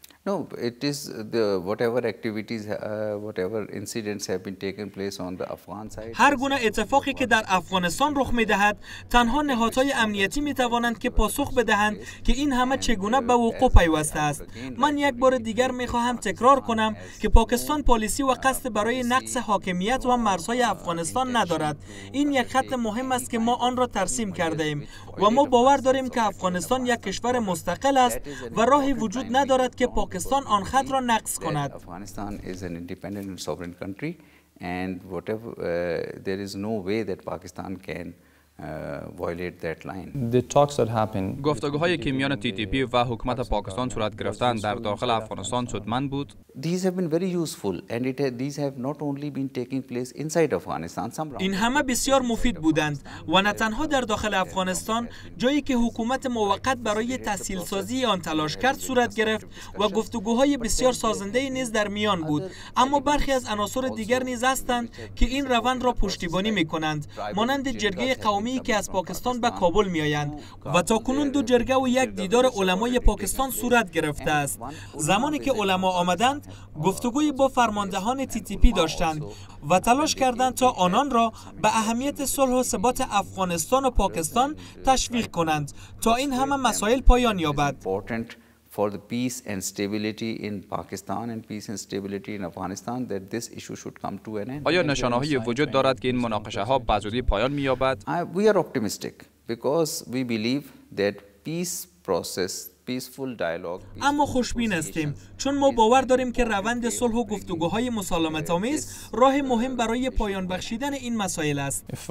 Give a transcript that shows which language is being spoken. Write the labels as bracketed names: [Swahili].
[English] No, it is the whatever activities, whatever incidents have been taken place on the Afghan side. [Persian] هر گونه اتفاقی که در افغانستان رخ می‌دهد، تنها نهادهای امنیتی می‌توانند که پاسخ بدهند که این همه چگونه به وقوع پیوسته است. من یک بار دیگر می‌خواهم تکرار کنم که پاکستان پالیسی و قصد برای نقص حاکمیت و مرزهای افغانستان ندارد. این یک خط مهم است که ما آن را ترسیم کرده‌ایم و ما باور داریم که افغانستان یک کشور مستقل است و راهی وجود ندارد که پاکستان آن خط را نقص کند. [English] Afghanistan is an independent and sovereign country, and whatever there is no way that Pakistan can violate that line. The talks that happened. [Persian] گفتگوهایی که میان TTP و حکومت پاکستان صورت گرفتند در داخل افغانستان سودمند بود. [English] These have been very useful, and these have not only been taking place inside Afghanistan. [Persian] این همه بسیار مفید بودند و نه تنها در داخل افغانستان، جایی که حکومت موقت برای تسهیل سازی آن تلاش کرد صورت گرفت و گفتگوهای بسیار سازنده نیز در میان بود. اما برخی از عناصر دیگر نیز هستند که این روند را پشتیبانی می کنند، مانند جرگه قومی که از پاکستان به کابل می آیند و تا کنون دو جرگه و یک دیدار علمای پاکستان صورت گرفته است. زمانی که علما آمدند گفتگوی با فرماندهان TTP داشتند و تلاش کردند تا آنان را به اهمیت صلح و ثبات افغانستان و پاکستان تشویق کنند تا این همه مسائل پایان یابد. [English] For the peace and stability in Pakistan and peace and stability in Afghanistan, that this issue should come to an end. [Persian] آیا نشانه‌هایی وجود دارد که این مناقشه‌ها به‌زودی پایان می‌یابد؟ [English] We are optimistic because we believe that peace process. [Persian] اما خوشبین هستیم، چون ما باور داریم که روند صلح و گفتگوهای مسالمت‌آمیز راه مهم برای پایان بخشیدن این مسائل است.